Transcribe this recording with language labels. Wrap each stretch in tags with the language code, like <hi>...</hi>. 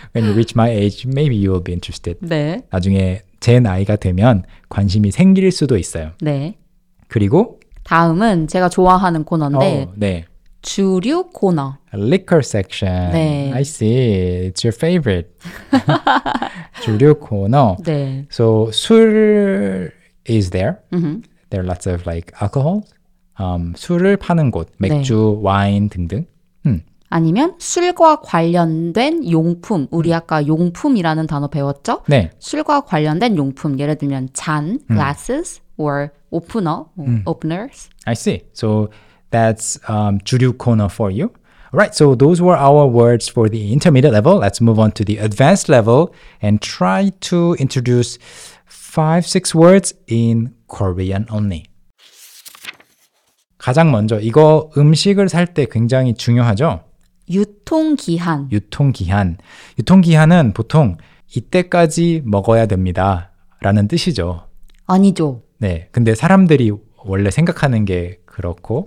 <en>When you reach my age, maybe you will be interested.</en> <ko>네. 나중에 제 나이가 되면 관심이 생길 수도 있어요. 네. 그리고? 다음은 제가 좋아하는 코너인데. 어, 네. 주류 코너.</ko> <en>A liquor section.</en> <ko>네.</ko> <en>I see. It's your favorite. 주류 코너.</en> <ko>네.</ko> <en>So, 술 is there. Mm-hmm. There are lots of like alcohol.</en> <ko>술을 파는 곳. 맥주, 네. 와인 등등. 아니면 술과 관련된 용품. 우리 아까 용품이라는 단어 배웠죠? 네. 술과 관련된 용품. 예를 들면 잔,</ko> <en>glasses, or opener, openers. I see. So, that's 주류 코너 for you. Alright, so those were our words for the intermediate level. Let's move on to the advanced level and try to introduce 5-6 words in Korean only.</en> <ko>가장 먼저, 이거 음식을 살 때 굉장히 중요하죠? 유통기한. 유통기한. 유통기한은 보통 이때까지 먹어야 됩니다. 라는 뜻이죠. 아니죠. 네, 근데 사람들이 원래 생각하는 게 그렇고.</ko>